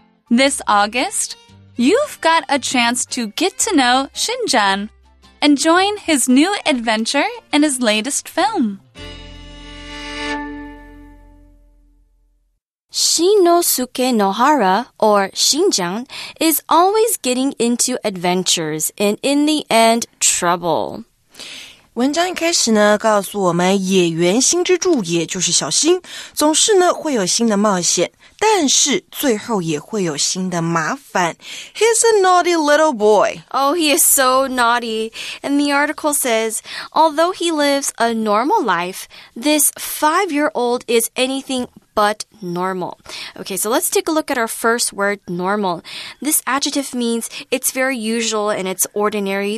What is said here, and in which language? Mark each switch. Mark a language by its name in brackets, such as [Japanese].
[English] This August, you've got a chance to get to know Shinjang and join his new adventure in his latest film. Shinosuke Nohara, or Shinjang, is always getting into adventures and in the end, trouble. [Chinese] 文章一开始呢，告诉我们野原新之助，也就是小新，总是呢会有新的冒险，但是最后也会有新的麻烦。 [English] He's a naughty little boy. Oh, he is so naughty. And the article says, although he lives a normal life, this 5-year-old is anything but normal. Okay, so let's take a look at our first word, normal. This adjective means it's very usual and it's ordinary.